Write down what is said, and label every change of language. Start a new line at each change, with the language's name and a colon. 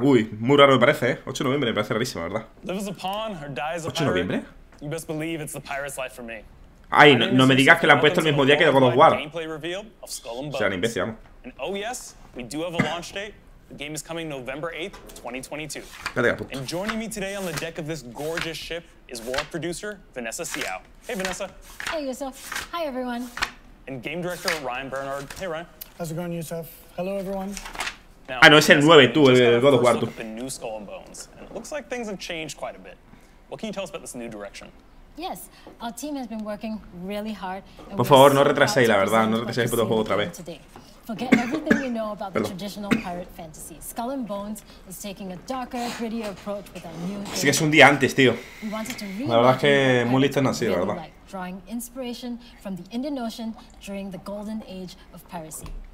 Spanish: Uy, muy raro me parece, 8 de noviembre me parece rarísimo, ¿verdad?
English: Live as a pawn or die as a
Spanish: 8 de noviembre.
English: You best believe it's the pirate's life for me.
Spanish: Ay, no me digas que la han puesto el mismo día que God
English: of War. Of
Spanish: sean imbécil.
English: And oh yes, we do have a launch date. The game is coming November 8th, 2022. And joining me today on the deck of this gorgeous ship is War producer Vanessa Siao. Hey, Vanessa. Hey, Yusuf. Hi, everyone. And game director Ryan Bernard. Hey, Ryan. How's it going, Yusuf? Hello, everyone.
Spanish: Now, no, es el 9, tú, el God of War, tú.
English: The new Skull and Bones. And it looks like things have changed quite a bit. What can you tell us about this new direction? Yes, our team has been working really hard.
Spanish: Por favor, no retraséis, la verdad, no retraséis el puto juego otra vez.
English: Forget everything you know about the traditional pirate fantasy. Skull and Bones is taking a darker, grittier approach with our new.
Spanish: Así que es un día antes, tío. La verdad es que muy listo no ha sido, ¿verdad?
English: Drawing inspiration from the Indian Ocean during the golden age of piracy.